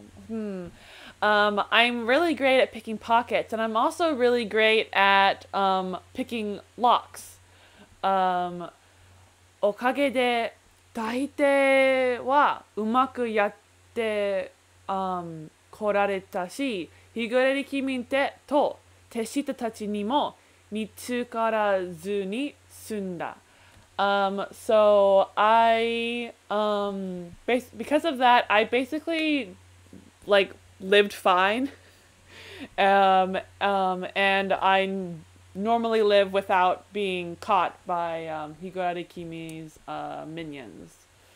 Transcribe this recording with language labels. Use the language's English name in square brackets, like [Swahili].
[English] I'm really great at picking pockets, and I'm also really great at picking locks. [Japanese] おかげで大抵はうまくやって、来られたし、日暮れに君ってと手下たちにも見つからずに済んだ。 [English] So I, because of that, I basically like lived fine. And I normally live without being caught by, Higurari Kimi's, minions.